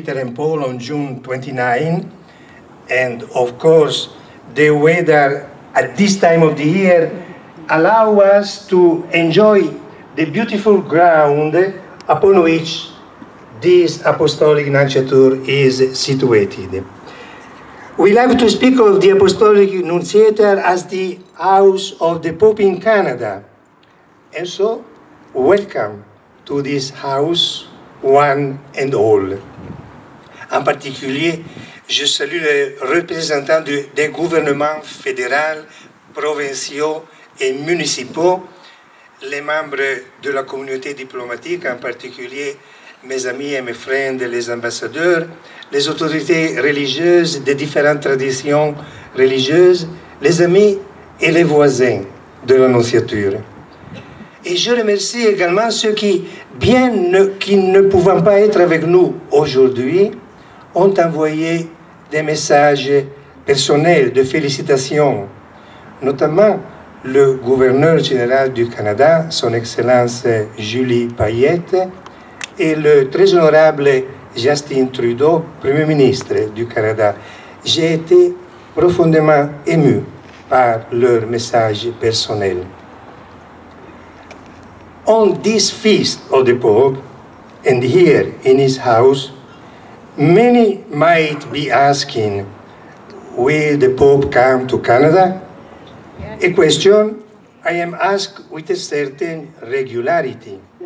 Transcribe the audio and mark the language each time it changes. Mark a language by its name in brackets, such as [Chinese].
[English] Peter and Paul on June 29, and of course, the weather at this time of the year allow us to enjoy the beautiful ground upon which this apostolic nunciature is situated. We like to speak of the apostolic nunciature as the house of the Pope in Canada. And so, welcome to this house, one and all. [French] En particulier, je salue les représentants des gouvernements fédéral, provinciaux et municipaux, les membres de la communauté diplomatique, en particulier mes amis et mes frères, les ambassadeurs, les autorités religieuses des différentes traditions religieuses, les amis et les voisins de l'Annonciature. Et je remercie également ceux qui, bien qu'ils ne pouvant pas être avec nous aujourd'hui, ont envoyé des messages personnels de félicitations, notamment le gouverneur général du Canada, son Excellence Julie Payette, et le très honorable Justin Trudeau, Premier ministre du Canada. J'ai été profondément ému par leurs messages personnels. [English] On this feast of the Pope, and here in his house, many might be asking, will the Pope come to Canada? A question I am asked with a certain regularity.